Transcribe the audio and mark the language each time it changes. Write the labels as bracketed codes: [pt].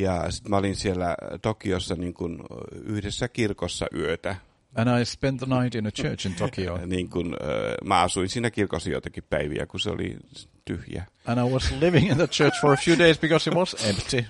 [fi] Ja sitten mä olin siellä Tokiossa niin kuin yhdessä kirkossa yötä. [en] And I spent the night in a church in Tokyo. [fi] Niin kuin mä asuin siinä kirkossa joitakin päiviä, kun se oli tyhjä. [en] And I was living in the church for a few days because it was empty.